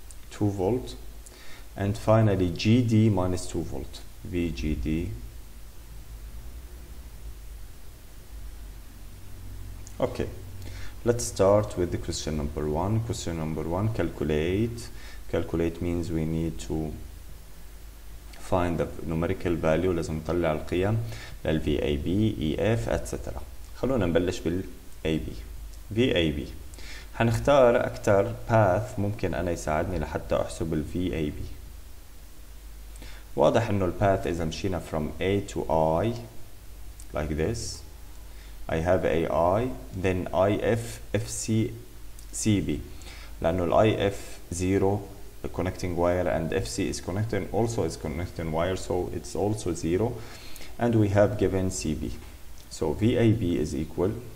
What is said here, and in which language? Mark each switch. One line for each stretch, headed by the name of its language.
English: two volt and finally GD minus 2 volt VGD Okay, let's start with the question number one. Question number one, calculate. Calculate means we need to find the numerical value.
Arabic: لازم نطلع القيم لل VAB, EF, etc. خلونا نبلش بال AB. VAB. هنختار أكتر path ممكن أنا يساعدني لحتى أحسب ال VAB. واضح إنه الباث إذا مشينا
English: from A to I like this. I have AI then IF FC CB
Arabic: لأنه
English: الـ IF 0 the connecting wire and FC is connecting also is connecting wire so it's also 0 and we have given CB so VAB is equal